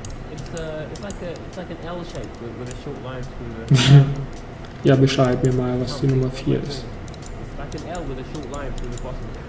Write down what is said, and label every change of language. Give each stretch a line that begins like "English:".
English: It's like an L-shape with a short line through the...
German: Ja, beschreib mir mal, was die Nummer 4 ist.
English: It's like an L with a short line through the bottom.